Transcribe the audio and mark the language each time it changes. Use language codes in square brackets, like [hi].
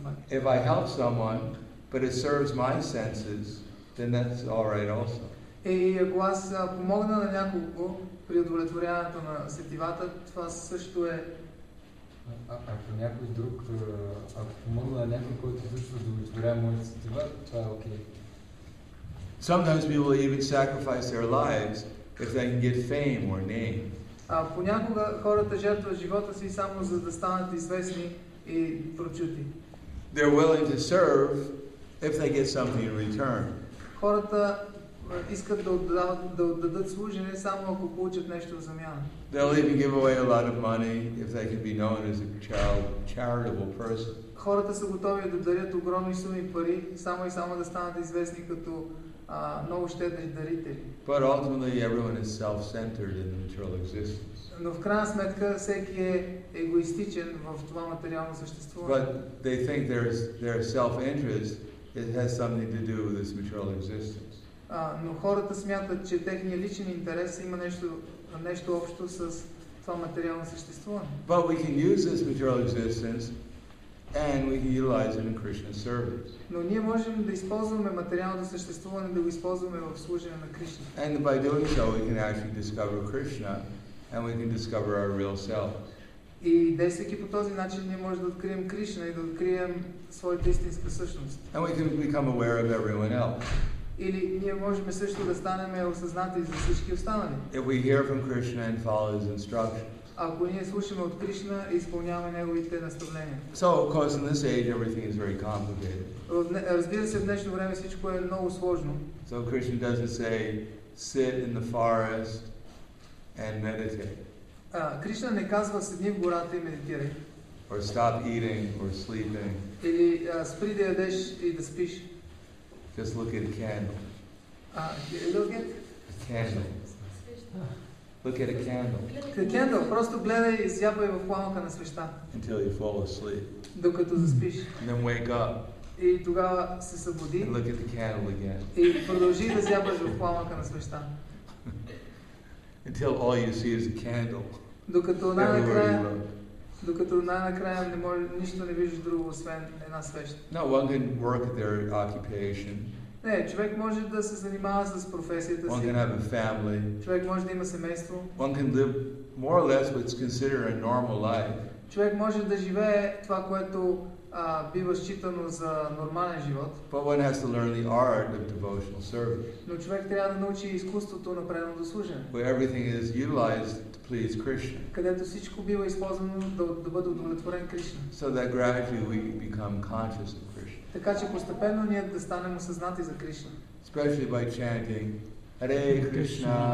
[en] If I help someone, but it serves my senses, then that's all right also. [bg] И ако аз помогна на някого при удовлетворяването на сетивата, това също е. Ако някой друг, ако помогна на някой, който също удовлетворява моите сетива, това е окей. [en] Sometimes people even sacrifice their lives if they can get fame or name. [bg] Понякога хората жертват живота си само за да станат известни и прочути. [en] They're willing to serve if they get something in return. [bg] Хората искат да отдадат, да отдадат служене само ако получат нещо в замяна. [en] They'll even give away a lot of money if they can be known as a charitable person. [bg] Хората са готови да дарят огромни суми пари само и само да станат известни като много щедри дарители. [en] But ultimately everyone is self-centered in the material existence. [bg] Но в крайна сметка всеки е егоистичен в това материално съществуване. [en] But they think their self-interest it has something to do with this material existence. [bg] Но хората смятат, че техният личен интерес има нещо общо с това материално съществуване. [en] But we can use this material existence and we can utilize it in Krishna's service. [bg] Но ние можем да използваме материалното съществуване да го използваме в служение на Кришна. [en] And by doing so we can actually discover Krishna and we can discover our real self. [bg] И действайки по този начин ние можем да открием Кришна и да открием своята истинска същност. [en] And we can become aware of everyone else. [bg] Или ние можем също да станем осъзнати за всички останали. [en] If we hear from Krishna and follow his instructions. [bg] Ако ние слушаме от Кришна и изпълняваме неговите наставления. [en] So, of course, in this age everything is very complicated. [bg] Разбира се, в днешно време всичко е много сложно. [en] So Krishna doesn't say sit in the forest and meditate. [bg] Кришна не казва седни в гората и медитирай. [en] Or stop eating or sleeping. [bg] Или спри да ядеш и да спиш. [en] Just look at a candle. Look at a candle. Look at a candle. [bg] Просто гледай и зяпай в пламъка на свеща. [en] Until you fall asleep. [bg] Докато заспиш. [en] And then wake up. [bg] И тогава се събуди. [en] And look at the candle again. [bg] И продължи да зяпаш в пламъка на свеща. [en] Until all you see is a candle. [bg] Докато най-накрая не може нищо не виждаш друго освен една свеща. [en] No, one can work at their occupation. [bg] Не, човек може да се занимава с професията си. [en] One can have a family. [bg] Човек може да има семейство. [en] One can live more or less what's considered a normal life. [bg] Човек може да живее това, което бива считано за нормален живот. [en] But one has to learn the art of devotional service. [bg] Но човек трябва да научи изкуството на преданото служене. [en] Where everything is utilized please Krishna. [bg] Където всичко бива използвано да бъде удовлетворен Кришна. [en] So that gradually we become conscious of Krishna. [bg] Така че постепенно ние да станем осъзнати за Кришна. [en] Especially by chanting Hare Krishna,